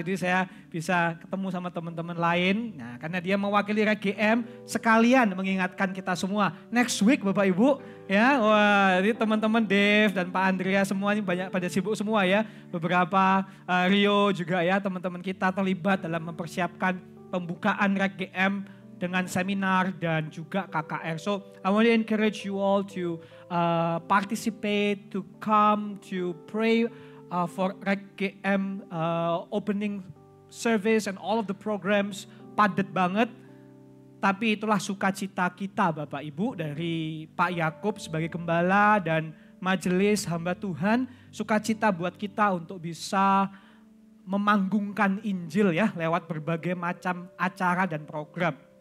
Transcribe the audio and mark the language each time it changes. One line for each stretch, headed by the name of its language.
Indonesian: Jadi saya bisa ketemu sama teman-teman lain. Nah, karena dia mewakili RGM, sekalian mengingatkan kita semua.
English: Next week
Indonesian: Bapak Ibu, ya. Wah, jadi teman-teman Dave dan Pak Andrea semuanya banyak pada sibuk semua ya. Beberapa Rio juga ya, teman-teman kita terlibat dalam mempersiapkan pembukaan RGM dengan seminar dan juga KKR.
English: So, I want to encourage you all to participate, to come, to pray for RGM opening service and all of the programs.
Indonesian: Padat banget. Tapi itulah sukacita kita, Bapak Ibu, dari Pak Yakub sebagai gembala dan majelis hamba Tuhan. Sukacita buat kita untuk bisa memanggungkan Injil ya lewat berbagai macam acara dan program.